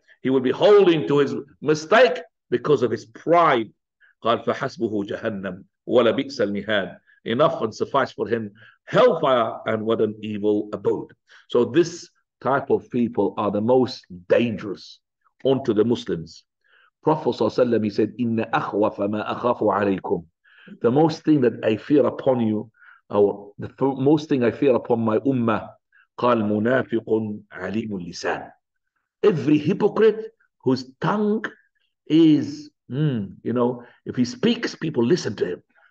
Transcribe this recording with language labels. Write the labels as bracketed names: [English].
[English] He will be holding to his mistake because of his pride. [Arabic] قال فَحَسْبُهُ جَهَنَّمْ. وَلَبِئْسَ الْمِهَادِ. [English] Enough and suffice for him, hellfire and what an evil abode. So this type of people are the most dangerous unto the Muslims. Prophet ﷺ, he said, [Arabic] إِنَّ أَخْوَفَ مَا أَخَافُ عَلَيْكُمْ. [English] The most thing that I fear upon you, or the most thing I fear upon my ummah, [Arabic] قَالْ مُنَافِقٌ عَلِيمُ اللِّسَانِ. [English] Every hypocrite whose tongue is, if he speaks, people listen to him.